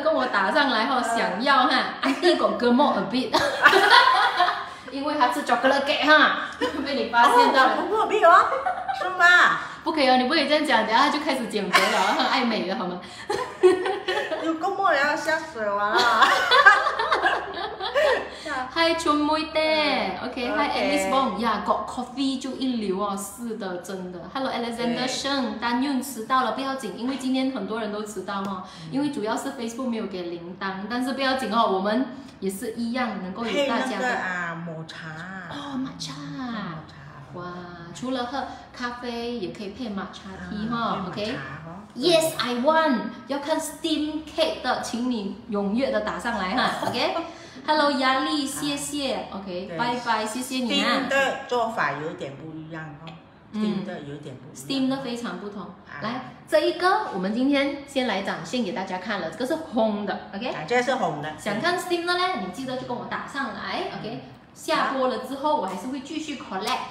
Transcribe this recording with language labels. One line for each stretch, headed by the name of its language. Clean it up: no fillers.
Chinese: 跟我打上来哈、哦，想要哈 ，
English: I think I'll go more a bit 。
Chinese: 因为他吃 chocolate cake 哈，被你发现到了。哦、我没有啊，是吗？不可以哦，你不可以这样讲，等下他就开始减肥了，很爱美的好吗？有够莫聊，吓死我了！吓
English: Hi Chun Mui Dan. Okay. Hi Alice Bong. Yeah, got coffee
Chinese: 就一流哦。是的，真的。Hello Alexander Sheng. 丹韵迟到了，不要紧，因为今天很多人都迟到哈、哦。因为主要是 Facebook 没有给铃铛，但是不要紧哦，我们也是一样能够有大家的。配那个啊，抹茶。哦，抹茶。哇，除了喝咖啡，也可以配抹茶 tea 哈、哦。
English: OK。 Yes, I want.
Chinese: 要看 steam cake 的，请你踊跃的打上来哈。
English: OK。
Chinese: Hello, Yali, 谢谢。
English: OK, bye bye,
Chinese: 谢谢你啊。 Steam 的做法有点不一样哦。Steam 的有点不一样。 Steam 的非常不同。来，这一个我们今天先来展现给大家看了，这个是红的。
English: OK。
Chinese: 这是红的。想看 Steam 的呢，你记得就跟我打上来。
English: OK。
Chinese: 下播了之后，我还是会继续 collect。